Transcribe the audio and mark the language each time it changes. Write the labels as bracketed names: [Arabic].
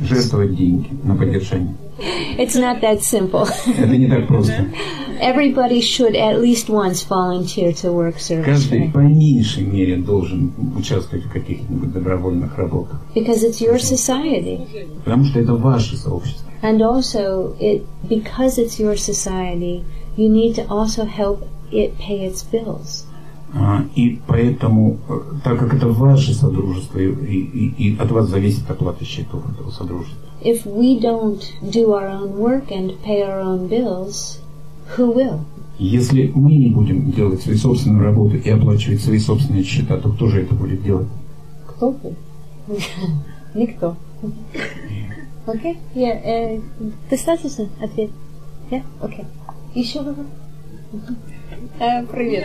[Russian] Жертвовать деньги на поддержание. [English] It's not that simple. [Russian] Это не так просто. [English] Everybody should at least once volunteer to work service. [Russian] Каждый по меньшей мере должен участвовать в каких-нибудь добровольных работах. [English] Because it's your society. [Russian] Потому что это ваше сообщество. [English] And also, because it's your society, you need to also help it pay its bills. [Russian] И поэтому, так как это ваше содружество, и от вас зависит оплата счетов этого содружества. [English] If we don't do our own work and pay our own bills, who will? [Russian] Если мы не будем делать свою собственную работу и оплачивать свои собственные счета, то кто же это будет делать? Кто? Никто. Окей? Достаточно ответ? Да? Окей. Еще вопрос? Привет.